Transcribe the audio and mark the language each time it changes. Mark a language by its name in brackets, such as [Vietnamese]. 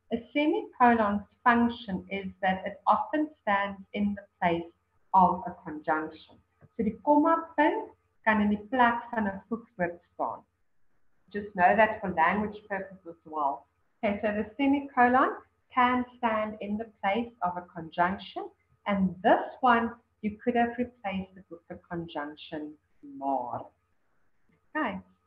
[English] A semicolon's function is that it often stands in the place of a conjunction. [Afrikaans] So die komma vind kan in die plek van 'n voegwoord staan. [English] Just know that for language purposes as well. Okay, so the semicolon can stand in the place of a conjunction, and this one you could have replaced it with the conjunction maar. Okay.